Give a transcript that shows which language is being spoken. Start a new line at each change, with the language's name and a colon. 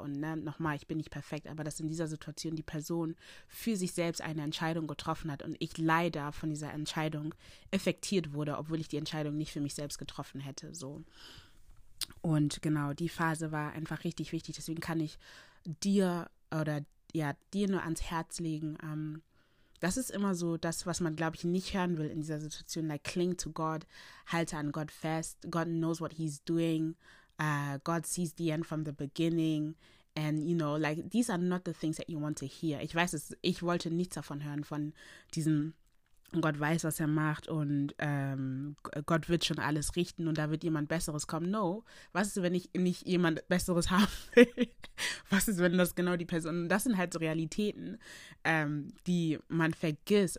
German: Und ne, nochmal, ich bin nicht perfekt, aber dass in dieser Situation die Person für sich selbst eine Entscheidung getroffen hat und ich leider von dieser Entscheidung effektiert wurde, obwohl ich die Entscheidung nicht für mich selbst getroffen hätte. So. Und genau, die Phase war einfach richtig wichtig. Deswegen kann ich dir nur ans Herz legen, das ist immer so das, was man, glaube ich, nicht hören will in dieser Situation.
English: Like, cling to God,
German: halte an Gott fest.
English: God knows what he's doing. God sees the end from the beginning. And, you know, like, these are not the things that you want to hear.
German: Ich weiß es, ich wollte nichts davon hören, von diesem Gott weiß, was er macht und Gott wird schon alles richten und da wird jemand Besseres kommen. No, was ist, wenn ich nicht jemand Besseres haben will? Was ist, wenn das genau die Person? Das sind halt so Realitäten, die man vergisst.